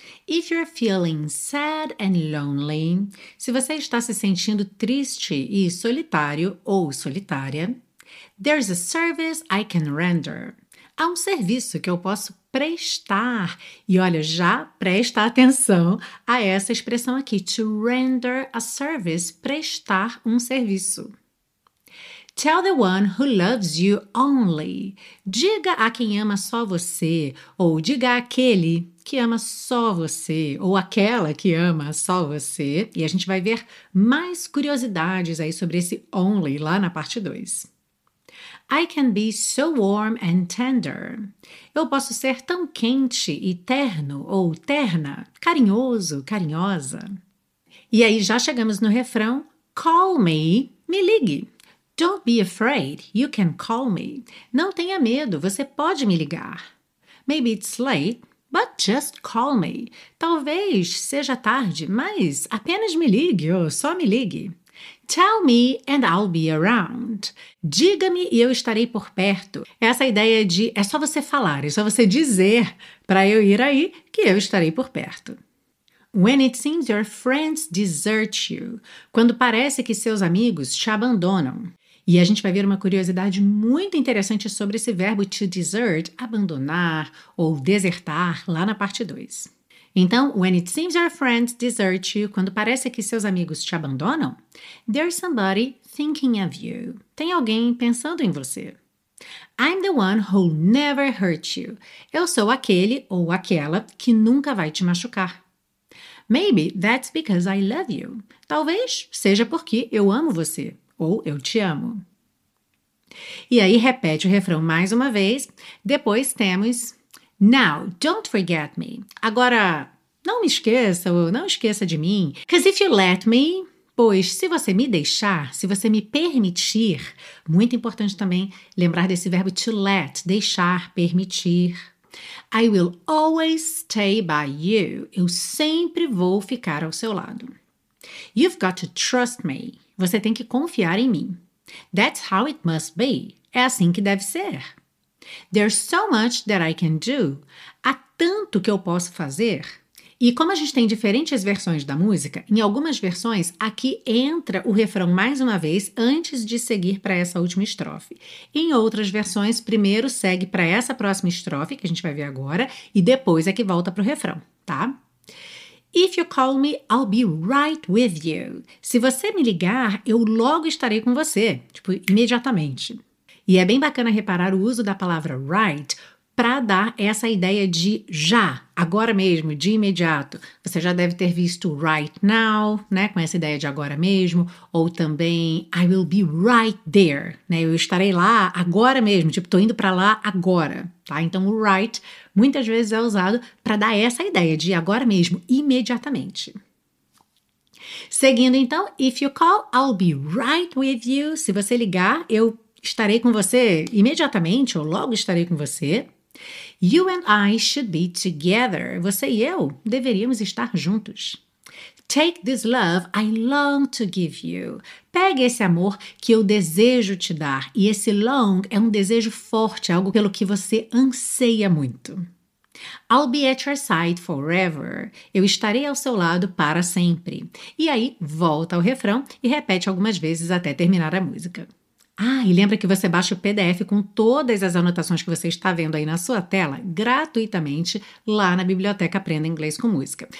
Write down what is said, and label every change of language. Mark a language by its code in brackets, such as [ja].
[en] If you're feeling sad and lonely, [pt] se você está se sentindo triste e solitário ou solitária, [en] there's a service I can render. [pt] Há um serviço que eu posso prestar. E olha, já presta atenção a essa expressão aqui, [en] to render a service, [pt] prestar um serviço. [en] Tell the one who loves you only. [pt] Diga a quem ama só você, ou diga àquele que ama só você, ou aquela que ama só você. E a gente vai ver mais curiosidades aí sobre esse only lá na parte 2. [en] I can be so warm and tender. [pt] Eu posso ser tão quente e terno, ou terna, carinhoso, carinhosa. E aí já chegamos no refrão, [en] call me, [pt] me ligue. [en] Don't be afraid, you can call me. [pt] Não tenha medo, você pode me ligar. [en] Maybe it's late, but just call me. [pt] Talvez seja tarde, mas apenas me ligue ou só me ligue. [en] Tell me and I'll be around. [pt] Diga-me e eu estarei por perto. Essa ideia de é só você falar, é só você dizer para eu ir aí que eu estarei por perto. [en] When it seems your friends desert you. [pt] Quando parece que seus amigos te abandonam. E a gente vai ver uma curiosidade muito interessante sobre esse verbo to desert, abandonar ou desertar, lá na parte 2. [en] Então, when it seems your friends desert you, [pt] quando parece que seus amigos te abandonam, [en] there's somebody thinking of you. [pt] Tem alguém pensando em você. [en] I'm the one who'll never hurt you. [pt] Eu sou aquele ou aquela que nunca vai te machucar. [en] Maybe that's because I love you. [pt] Talvez seja porque eu amo você. Ou eu te amo. E aí repete o refrão mais uma vez. Depois temos... [en] Now, don't forget me. [pt] Agora, não me esqueça ou não esqueça de mim. [en] Because if you let me... [pt] Pois, se você me deixar, se você me permitir, muito importante também lembrar desse verbo to let, deixar, permitir. [en] I will always stay by you. [pt] Eu sempre vou ficar ao seu lado. [en] You've got to trust me. [pt] Você tem que confiar em mim. [en] That's how it must be. [pt] É assim que deve ser. [en] There's so much that I can do. [pt] Há tanto que eu posso fazer. E como a gente tem diferentes versões da música, em algumas versões, aqui entra o refrão mais uma vez antes de seguir para essa última estrofe. Em outras versões, primeiro segue para essa próxima estrofe, que a gente vai ver agora, e depois é que volta para o refrão, tá? [en] If you call me, I'll be right with you. [pt] Se você me ligar, eu logo estarei com você, tipo, imediatamente. E é bem bacana reparar o uso da palavra right para dar essa ideia de já, agora mesmo, de imediato. Você já deve ter visto [en] right now, [pt] né, com essa ideia de agora mesmo, ou também [en] I will be right there, [pt] né, eu estarei lá agora mesmo, tipo, tô indo para lá agora, tá? Então, o right muitas vezes é usado para dar essa ideia de agora mesmo, imediatamente. Seguindo, então, [en] if you call, I'll be right with you. [pt] Se você ligar, eu estarei com você imediatamente, ou logo estarei com você. [en] You and I should be together. [pt] Você e eu deveríamos estar juntos. [en] Take this love I long to give you. [pt] Pegue esse amor que eu desejo te dar. E esse long é um desejo forte, algo pelo que você anseia muito. [en] I'll be at your side forever. [pt] Eu estarei ao seu lado para sempre. E aí volta ao refrão e repete algumas vezes até terminar a música. Ah, e lembra que você baixa o PDF com todas as anotações que você está vendo aí na sua tela gratuitamente lá na Biblioteca Aprenda Inglês com Música.